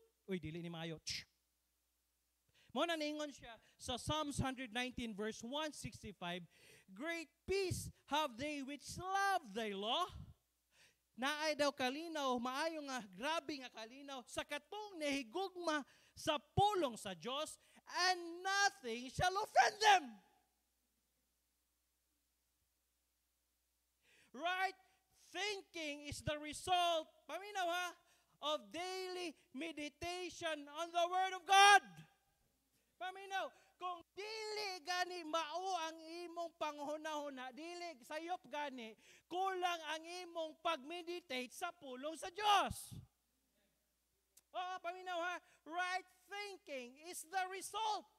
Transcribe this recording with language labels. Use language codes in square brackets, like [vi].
[ceb] Uy, dili ni maayo. Muna ningon siya sa Psalms 119 verse 165. [en] Great peace have they which love thy law. [ceb] Naay daw kalinaw, maayo nga, grabe nga kalinaw sa katong nehigugma sa pulong sa Diyos, [en] and nothing shall offend them. Right thinking is the result, [ceb] paminaw ha, [en] of daily meditation on the Word of God. [ceb] Paminaw, kung dili gani mao ang imong panghunahuna, dili sayop gani, kulang ang imong pag-meditate sa pulong sa Diyos. Oo, paminaw ha, [en] right thinking is the result.